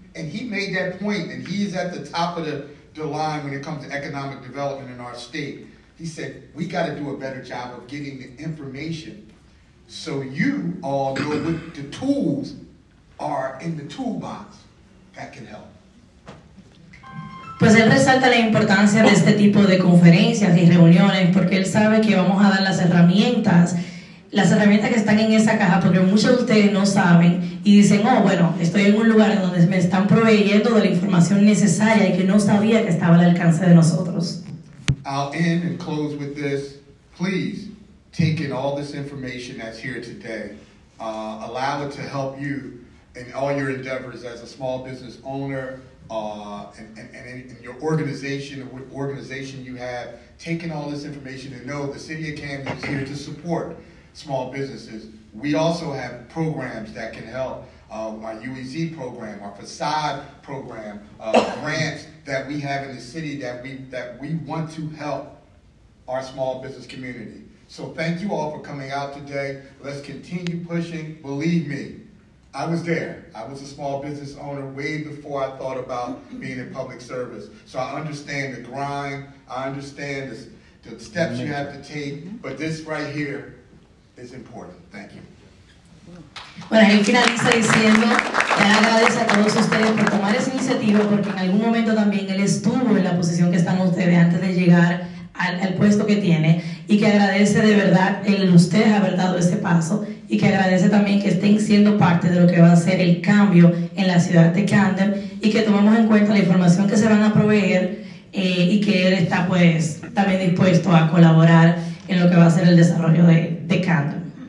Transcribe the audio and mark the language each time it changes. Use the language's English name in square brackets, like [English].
[English] And he made that point, and he is at the top of the line when it comes to economic development in our state. He said, we got to do a better job of getting the information so you all know what the tools are in the toolbox that can help. [Spanish] Pues él resalta la importancia de este tipo de conferencias y reuniones porque él sabe que vamos a dar las herramientas que están en esa caja, porque muchos de ustedes no saben y dicen, oh, bueno, estoy en un lugar donde me están proveyendo de la información necesaria y que no sabía que estaba al alcance de nosotros. [English] I'll end and close with this. Please, take in all this information that's here today. Allow it to help you in all your endeavors as a small business owner, and in your organization, what organization you have, taking all this information and know the city of Camden is here to support small businesses. We also have programs that can help, our UEZ program, our facade program, grants that we have in the city that we want to help our small business community. So thank you all for coming out today. Let's continue pushing. Believe me, I was there. I was a small business owner way before I thought about being in public service. So I understand the grind. I understand the steps you have to take. But this right here is important. Thank you. [Spanish] Bueno, él finaliza diciendo, le agradece a todos ustedes por tomar esa iniciativa porque en algún momento también él estuvo en la posición que están ustedes antes de llegar al puesto que tiene y que agradece de verdad el ustedes haber dado ese paso y que agradece también que estén siendo parte de lo que va a ser el cambio en la ciudad de Camden y que tomemos en cuenta la información que se van a proveer y que él está pues también dispuesto a colaborar en lo que va a ser el desarrollo de Camden.